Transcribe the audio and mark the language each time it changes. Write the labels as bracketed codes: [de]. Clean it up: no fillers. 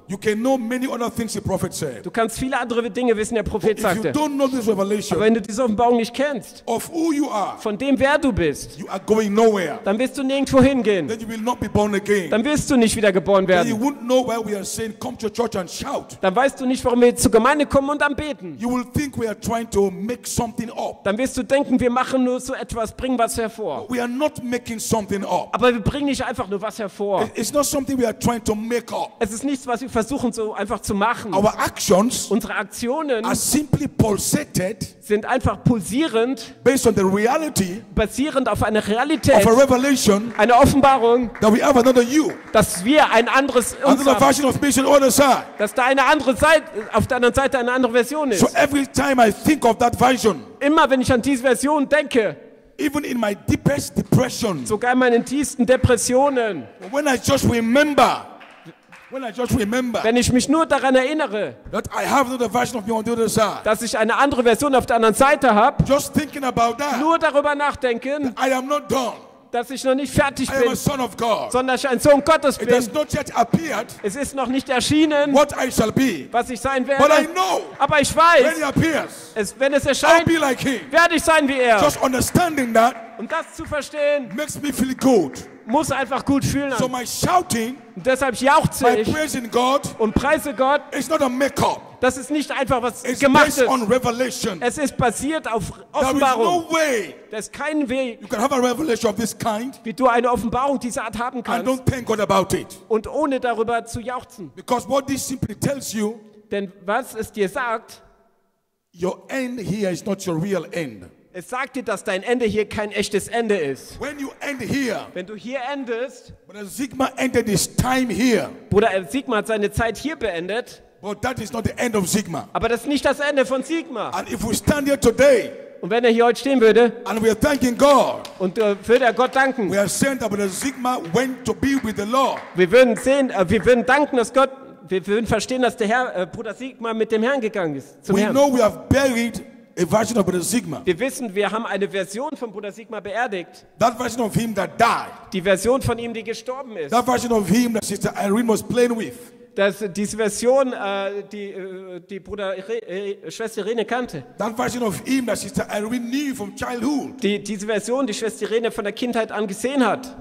[en] You can know many other things the prophet said. [de] Du kannst viele andere Dinge wissen, der Prophet [en] if [de] sagte. [en] You don't know this revelation, [de] aber wenn du diese Offenbarung nicht kennst, [en] of who you are, [de] von dem, wer du bist, [en] you are going nowhere. [de] Dann wirst du nirgendwo hingehen. [en] Then you will not be born again. [de] Dann wirst du nicht wiedergeboren werden. Dann weißt du nicht, warum wir zur Gemeinde kommen und anbeten. [en] You will think we are trying to make something up. [de] Dann wirst du denken, wir machen nur so etwas, bringen was hervor. [en] We are not making something up. [de] Aber wir bringen nicht einfach nur was hervor. [en] It's not something we are trying to make up. [de] Es ist nichts, was wir versuchen so einfach zu machen. [en] Our actions, [de] unsere Aktionen, [en] are simply pulsated, [de] sind einfach pulsierend, [en] based on the reality, [de] basierend auf einer Realität, [en] of a revelation, [de] eine Offenbarung, [en] that we have another you, [de] dass wir ein anderes, [en] another version of mission on the side, [de] dass da eine andere Seite, auf der anderen Seite eine andere Version ist. [en] So every time I think of that version, [de] immer wenn ich an diese Version denke. [en] Even in my deepest depression, [de] sogar in meinen tiefsten Depressionen, [en] when I just remember, [de] wenn ich mich nur daran erinnere, [en] that I have another version of me on the other side, [de] dass ich eine andere Version auf der anderen Seite habe, [en] just thinking about that, [de] nur darüber nachdenken, [en] that I am not done, [de] dass ich noch nicht fertig bin, [en] I am a son of God, [de] sondern ich ein Sohn Gottes bin. [en] It has not yet appeared, [de] es ist noch nicht erschienen, [en] what I shall be, [de] was ich sein werde. [en] But I know, [de] aber ich weiß, [en] when he appears, [de] es, wenn es erscheint, [en] I'll be like him, [de] werde ich sein wie er. [en] Just understanding that, [de] um das zu verstehen, [en] makes me feel good, [de] muss einfach gut fühlen. [en] So my shouting, [de] und deshalb jauchze [en] my [de] ich [en] praising God, [de] und preise Gott. [en] It's not a make-up. [de] Das ist nicht einfach was [en] it's [de] gemacht [en] based [de] ist. [en] On revelation. [de] Es ist basiert auf Offenbarung. [en] There is no way, [de] das ist kein Weg, [en] you can have a revelation of this kind, [de] wie du eine Offenbarung dieser Art haben kannst. [en] And don't thank God about it. [de] Und ohne darüber zu jauchzen. [en] Because what this simply tells you, [de] denn was es dir sagt, [en] your end here is not your real end. [de] Es sagt dir, dass dein Ende hier kein echtes Ende ist. [en] When you end here, [de] wenn du hier endest, [en] Bruder Sigma ended his time here, [de] Bruder Sigma hat seine Zeit hier beendet. [en] But that is not the end of Sigma. [de] Aber das ist nicht das Ende von Sigma. [en] And if we stand here today, [de] und wenn er hier heute stehen würde, [en] and we are thanking God, [de] und würde er Gott danken, [en] we are saying that Bruder Sigma went to be with the Lord. [de] Wir würden danken, dass Gott, wir würden verstehen, dass der Herr, Bruder Sigma mit dem Herrn gegangen ist. Zum [en] we [de] Herrn. [en] Know we have buried a version of Bruder Sigma. [de] Wir wissen, wir haben eine Version von Bruder Sigma beerdigt. [en] That version of him that died. [de] Die Version von ihm, die gestorben ist. [en] That version of him that Sister Irene was playing with. [de] Das, diese Version, die Bruder Schwester Irene kannte. [en] That version of him that Sister Irene knew from childhood. [de] Diese Version, die Schwester Irene von der Kindheit an gesehen hat.